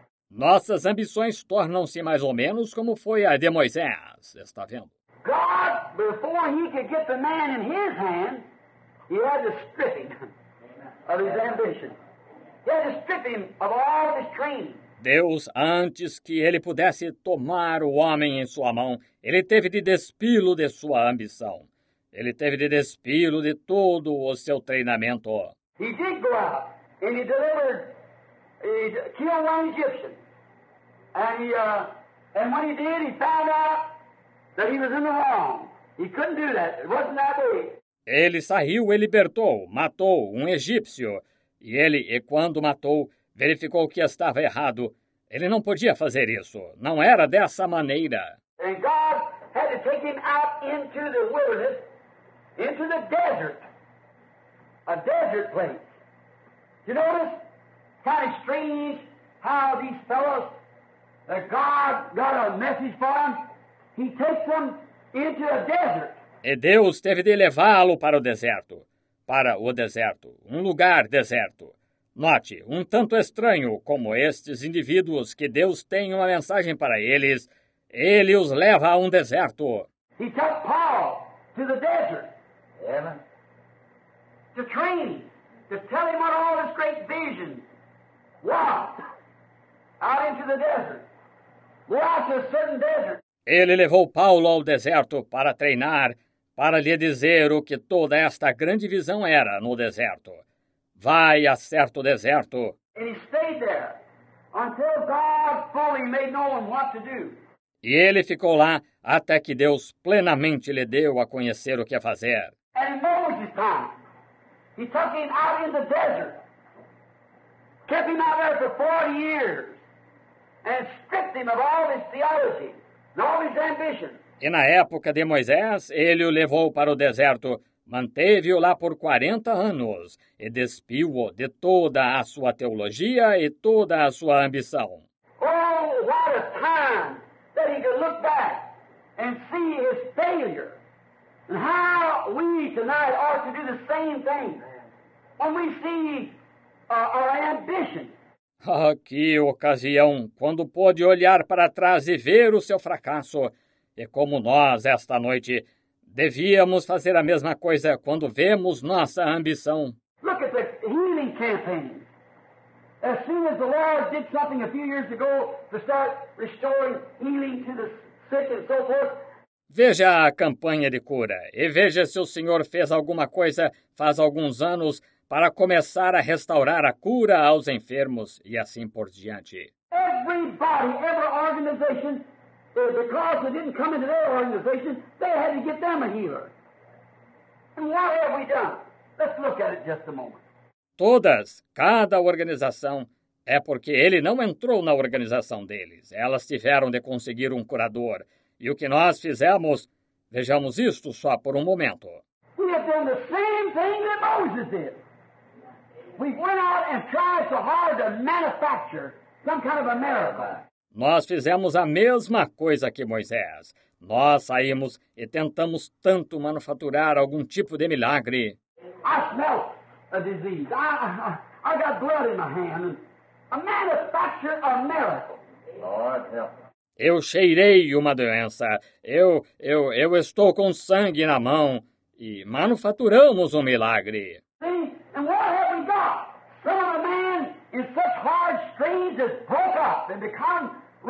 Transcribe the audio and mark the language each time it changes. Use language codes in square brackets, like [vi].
[pt] Nossas ambições tornam-se mais ou menos como foi a de Moisés, está vendo? [en] God, before he could get the man in his hand, he had to strip him of his ambition. He had to strip him of all of his training. [pt] Deus, antes que ele pudesse tomar o homem em sua mão, ele teve de despi-lo de sua ambição. Ele teve de despi-lo de todo o seu treinamento. [en] He did go out and he delivered, he killed one Egyptian. And he, and when he did, he found out that he was in the wrong. He couldn't do that. It wasn't that way. [pt] Ele saiu e libertou, matou um egípcio. E ele, e quando matou, verificou que estava errado. Ele não podia fazer isso. Não era dessa maneira. [en] And God had to take him out into the wilderness, into the desert. A desert place. You notice? Kind of strange how these fellows, that God got a message for them, he takes them into a desert. [pt] E Deus teve de levá-lo para o deserto. Para o deserto. Um lugar deserto. Note, um tanto estranho como estes indivíduos que Deus tem uma mensagem para eles, ele os leva a um deserto. [en] He took Paul to the desert. Heaven. To train. To tell him what all this great vision was. Out into the desert. Watch a certain desert. [pt] Ele levou Paulo ao deserto para treinar, para lhe dizer o que toda esta grande visão era no deserto. Vai a certo deserto. [en] And he stayed there until God fully made known what to do. [pt] E ele ficou lá até que Deus plenamente lhe deu a conhecer o que fazer. [en] And in Moses' time, he took him out in the desert, kept him out there for 40 years, and stripped him of all his theology and all his ambition. [pt] E na época de Moisés, ele o levou para o deserto, manteve-o lá por 40 anos e despiu-o de toda a sua teologia e toda a sua ambição. [en] Oh, what a time that he could look back and see his failure. And how we tonight ought to do the same thing when we see our ambition. [pt] Ah, que ocasião quando pôde olhar para trás e ver o seu fracasso. E como nós, esta noite, devíamos fazer a mesma coisa quando vemos nossa ambição. [en] Look at the healing campaign. As soon as the Lord did something a few years ago to start restoring healing to the sick and so forth. [pt] Veja a campanha de cura e veja se o Senhor fez alguma coisa faz alguns anos para começar a restaurar a cura aos enfermos e assim por diante. [en] Everybody, every organization, because they didn't come into their organization, they had to get them a healer. And what have we done? Let's look at it just a moment. [pt] Todas, cada organização, é porque ele não entrou na organização deles. Elas tiveram de conseguir um curador. E o que nós fizemos, vejamos isto só por um momento. [en] We have done the same thing that Moses did. We went out and tried so hard to manufacture some kind of a miracle. [pt] Nós fizemos a mesma coisa que Moisés. Nós saímos e tentamos tanto manufaturar algum tipo de milagre. [en] I smell a disease. I got blood in my hand. A manufacture of miracle. Lord help. [pt] Eu cheirei uma doença. Eu estou com sangue na mão e manufaturamos um milagre. [en] See? And what have we got? Some of the men in such hard strains has broke up and become